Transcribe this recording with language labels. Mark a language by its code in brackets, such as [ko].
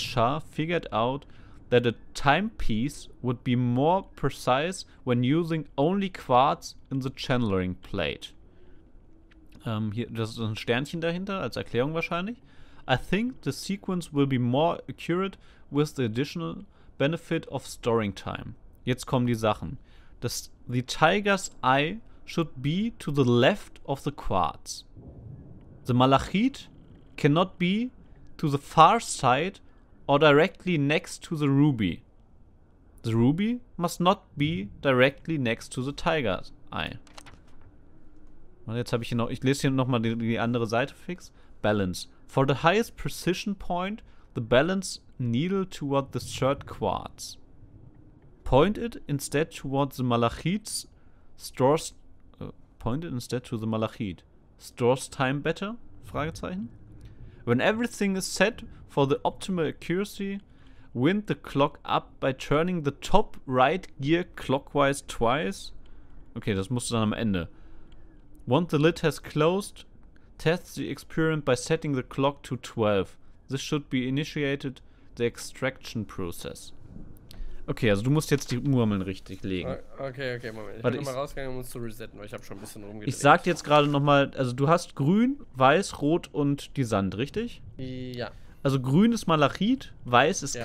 [en] Shah figured out that a timepiece would be more precise when using only quartz in the channeling plate. [de] Hier, das ist ein Sternchen dahinter, als Erklärung wahrscheinlich. [en] I think the sequence will be more accurate with the additional benefit of storing time. [de] Jetzt kommen die Sachen. [en] The tiger's eye should be to the left of the quartz. The malachite cannot be to the far side or directly next to the ruby. The ruby must not be directly next to the tiger's eye. [de] Und jetzt habe ich hier noch, ich lese hier noch mal die andere Seite fix. [en] Balance. For the highest precision point, the balance needle toward the third quartz. Point it instead toward the malachite's stores. Point it instead to the malachite. Stores time better? Fragezeichen. When everything is set for the optimal accuracy, wind the clock up by turning the top right gear clockwise twice. [de] Okay, das musst du dann am Ende. [en] Once the lid has closed, test the experiment by setting the clock to 12. This should be initiated the extraction process. [de] Okay, also du musst jetzt die Murmeln richtig legen. Okay, Moment. Ich bin nochmal rausgegangen, um uns zu resetten, weil ich habe schon ein bisschen rumgedreht. Ich sag dir jetzt gerade nochmal, also du hast grün, weiß, rot und die Sand, richtig? Ja. Also grün ist Malachit, weiß ist ja.